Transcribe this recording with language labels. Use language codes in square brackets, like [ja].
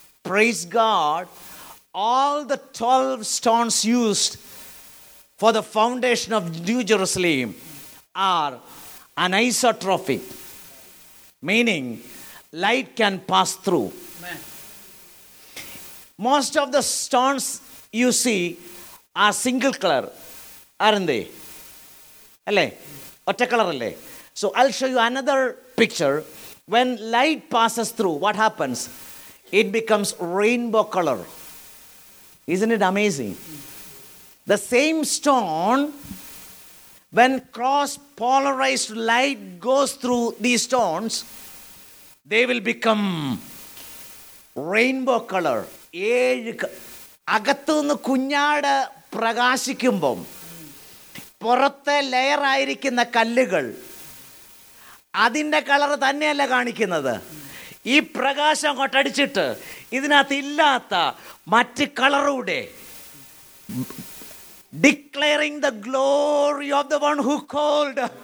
[en] Praise God, all the 12 stones used for the foundation of New Jerusalem are anisotropic, meaning light can pass through. Amen. Most of the stones you see are single color, aren't they? [ml] Alle otta color alle. [en] So I'll show you another picture. When light passes through, what happens? It becomes rainbow color. Isn't it amazing? The same stone, when cross polarized light goes through these stones, they will become rainbow color. [ml] ഏഴ് അകത്തു നിന്ന് കുഞ്ഞാട് പ്രകാശിക്കുമ്പം പുറത്തെ layer ആയിരിക്കുന്ന കല്ലുകൾ അതിൻ്റെ colour തന്നെയല്ല കാണിക്കുന്നത്. ഈ പ്രകാശം അങ്ങോട്ടടിച്ചിട്ട് ഇതിനകത്ത് ഇല്ലാത്ത മറ്റ് കളറൂടെ [en] declaring the glory of the one who called.